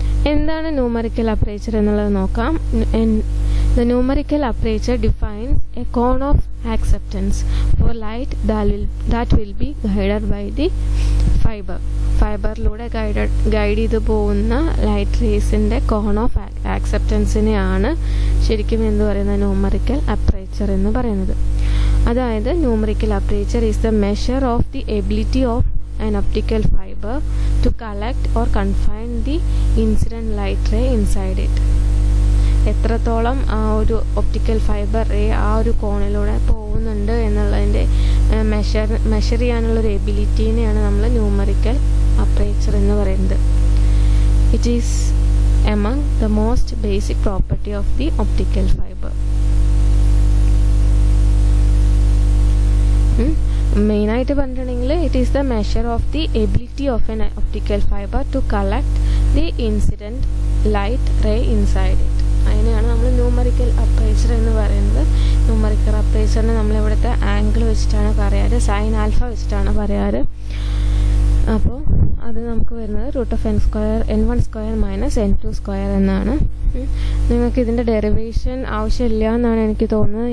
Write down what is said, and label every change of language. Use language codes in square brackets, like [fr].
[ml] എന്താണ് numerical aperture എന്നുള്ളത് നോക്കാം. [en] The numerical aperture define a cone of acceptance for light that will be guided by the fiber. [ml] ഫൈബറിലൂടെ guide ചെയ്ത് പോകുന്ന light റേസിൻ്റെ cone of ആക്സെപ്റ്റൻസിനെയാണ് ശരിക്കും എന്ന് പറയുന്നത് ന്യൂമറിക്കൽ അപ്രേച്ചർ എന്ന് പറയുന്നത്. അതായത് [en] Numerical aperture is the measure of the ability of an optical fiber to collect or confine the incident light ray inside it. [ml] എത്രത്തോളം ആ ഒരു ഒപ്റ്റിക്കൽ ഫൈബർ റേ ആ ഒരു കോണിലൂടെ പോകുന്നുണ്ട് എന്നുള്ളതിൻ്റെ മെഷർ ചെയ്യാനുള്ളൊരു എബിലിറ്റീനെയാണ് നമ്മൾ ന്യൂമറിക്കൽ അപ്രേച്ചർ എന്ന് പറയുന്നത്. [en] It is among the most basic property of the optical fiber. It is the measure of the ability of an optical fiber to collect the incident light ray inside it. [ml] അതിനെയാണ് നമ്മൾ numerical aperture എന്ന് പറയുന്നത്. Numerical അപ്പേച്ചറിന് നമ്മൾ ഇവിടുത്തെ angle വെച്ചിട്ടാണ് പറയാറ്, sine alpha വെച്ചിട്ടാണ് പറയാറ്. അപ്പോൾ അത് നമുക്ക് വരുന്നത് root of n² (n1²) - n² എന്നാണ്. നിങ്ങൾക്ക് ഇതിൻ്റെ ഡെറിവേഷൻ ആവശ്യമില്ല എന്നാണ് എനിക്ക് തോന്നുന്നത്.